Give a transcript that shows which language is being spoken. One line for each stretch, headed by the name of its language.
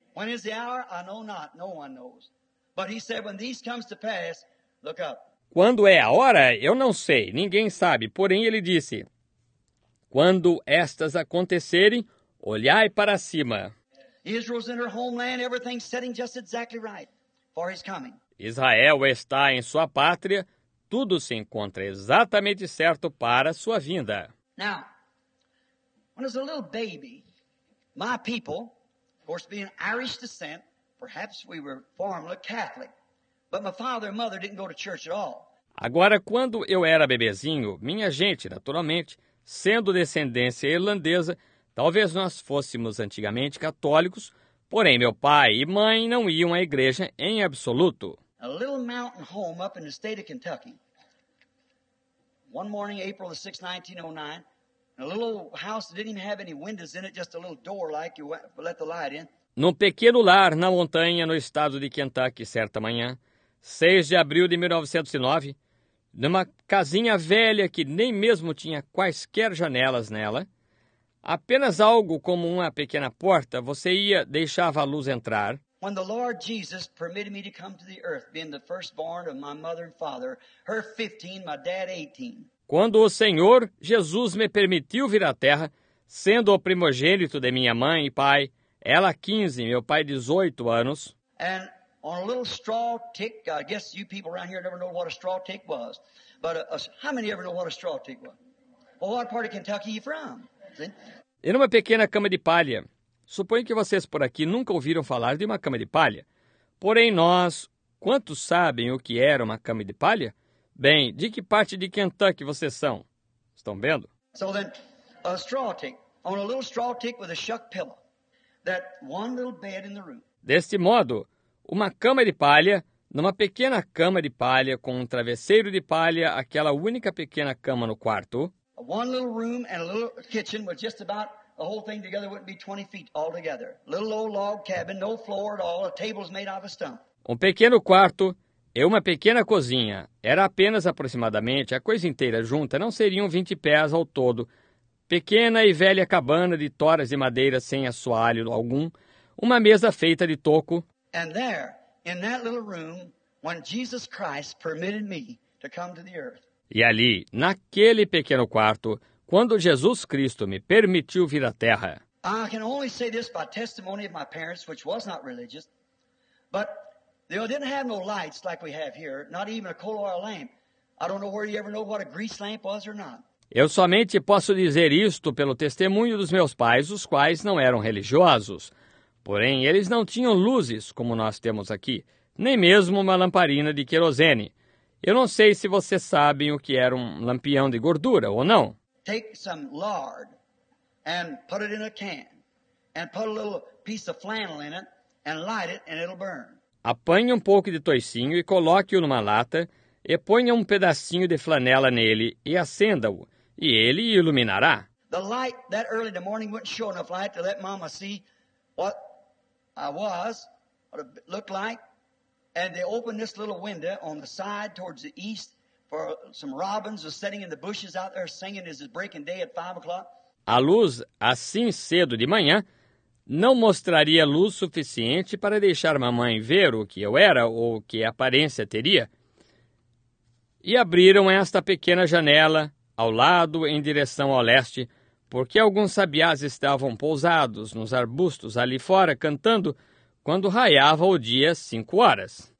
English: When is the hour? I know not. No one knows. But he said, when these comes to pass, look up.
Portuguese: Quando é a hora? Eu não sei. Ninguém sabe. Porém, ele disse, quando estas acontecerem, olhai para cima.
English: Israel's in her homeland, everything's setting just exactly right for his coming.
Portuguese: Israel está em sua pátria, tudo se encontra exatamente certo para sua vinda.
English: Now, when I was a little baby, my people, of course being Irish descent, perhaps we were formerly Catholic, but my father and mother didn't go to church at all.
Portuguese: Agora, quando eu era bebezinho, minha gente, naturalmente, sendo descendência irlandesa, talvez nós fôssemos antigamente católicos, porém meu pai e mãe não iam à igreja em absoluto.
English: A little mountain home up in the state of Kentucky. One morning, April the 6th, 1909, a little house that didn't even have any windows in it, just a little door like you let the light in.
Portuguese: Num pequeno lar na montanha no estado de Kentucky, certa manhã, 6 de abril de 1909, numa casinha velha que nem mesmo tinha quaisquer janelas nela, apenas algo como uma pequena porta, você ia, deixava a luz entrar.
English: When the Lord Jesus permitted me to come to the earth, being the firstborn of my mother and father, her 15, my dad 18.
Portuguese: Quando o Senhor Jesus me permitiu vir à terra, sendo o primogênito de minha mãe e pai, ela 15, meu pai 18 anos.
English: And on a little straw tick, I guess you people around here never know what a straw tick was. But how many ever know what a straw tick was? Well, what part of Kentucky are you from?
Portuguese: Em uma pequena cama de palha. Suponho que vocês por aqui nunca ouviram falar de uma cama de palha. Porém, nós, quantos sabem o que era uma cama de palha? Bem, de que parte de Kentucky vocês são? Estão vendo?
English: So then, a straw tick, on a little straw tick with a shuck pillow. That one little bed in the room.
Portuguese: Deste modo, uma cama de palha, numa pequena cama de palha com um travesseiro de palha, aquela única pequena cama no quarto.
English: One little room and a little kitchen with just about the whole thing together wouldn't be 20 feet altogether. Little old log cabin, no floor at all, a table's made out of stone.
Portuguese: Um pequeno quarto e uma pequena cozinha. Era apenas aproximadamente a coisa inteira junta, não seriam 20 pés ao todo. Pequena e velha cabana de toras de madeira sem assoalho algum. Uma mesa feita de toco.
English: And there, in that little room, when Jesus Christ permitted me to come to the earth.
Portuguese: E ali, naquele pequeno quarto, quando Jesus Cristo me permitiu vir à terra.
English: I can only say this by testimony of my parents, which was not religious, but they didn't have no lights like we have here, not even a coal oil lamp. I don't know where you ever know what a grease lamp was or not.
Portuguese: Eu somente posso dizer isto pelo testemunho dos meus pais, os quais não eram religiosos. Porém, eles não tinham luzes como nós temos aqui, nem mesmo uma lamparina de querosene. Eu não sei se vocês sabem o que era um lampião de gordura ou não.
English: Take some lard and put it in a can and put a little piece of flannel in it and light it and it'll burn.
Portuguese: Apanhe um pouco de toicinho e coloque-o numa lata, e ponha um pedacinho de flanela nele e acenda-o, e ele iluminará.
English: The light that early in the morning wouldn't show enough light to let Mama see what I was, what it looked like. And they opened this little window on the side towards the east for some robins were sitting in the bushes out there singing as it's breaking day at 5 o'clock.
Portuguese: A luz, assim cedo de manhã, não mostraria luz suficiente para deixar mamãe ver o que eu era ou que aparência teria. E abriram esta pequena janela ao lado em direção ao leste, porque alguns sabiás estavam pousados nos arbustos ali fora cantando quando raiava o dia 5 horas.